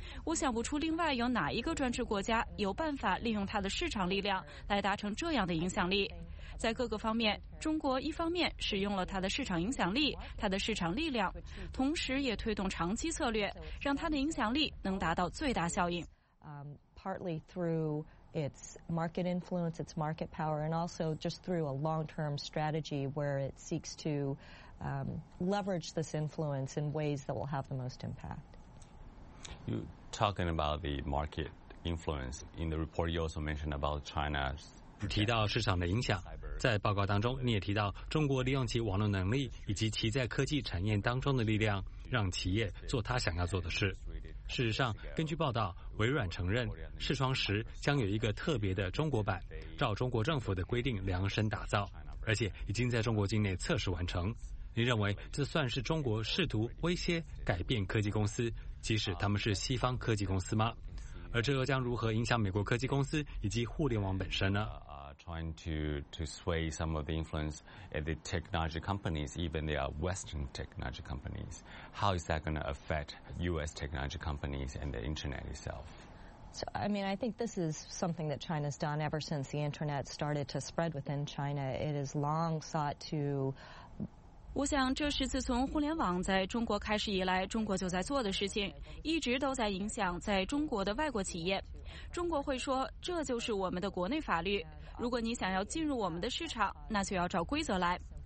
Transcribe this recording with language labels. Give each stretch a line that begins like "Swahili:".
Chinese: 我想不出另外有哪一个专制国家有办法利用它的市场力量来达成这样的影响力。在各个方面，中国一方面使用了它的市场影响力，它的市场力量，同时也推动长期策略，让它的影响力能达到最大效应。
English: Partly through its market influence, its market power, and also just through a long-term strategy where it seeks to leverage this influence in ways that will have the most impact. You talking about the market influence in the report? You also mentioned about China's.
Chinese: 提到市场的影响，在报告当中你也提到中国利用其网络能力以及其在科技产业当中的力量，让企业做他想要做的事。事实上，根据报道，微软承认视窗10将有一个特别的中国版，照中国政府的规定量身打造，而且已经在中国境内测试完成。你认为这算是中国试图威胁改变科技公司，即使他们是西方科技公司吗？而这又将如何影响美国科技公司以及互联网本身呢？
English: Trying to sway some of the influence at the technology companies, even they are Western technology companies. How is that going to affect U.S. technology companies and the internet itself? So, I mean, I think this is something that China's done ever since the internet started to spread within China. It has long sought to.
Chinese: 我想这是自从互联网在中国开始以来，中国就在做的事情，一直都在影响在中国的外国企业。中国会说，这就是我们的国内法律。如果你想要进入我们的市场，那就要照规则来。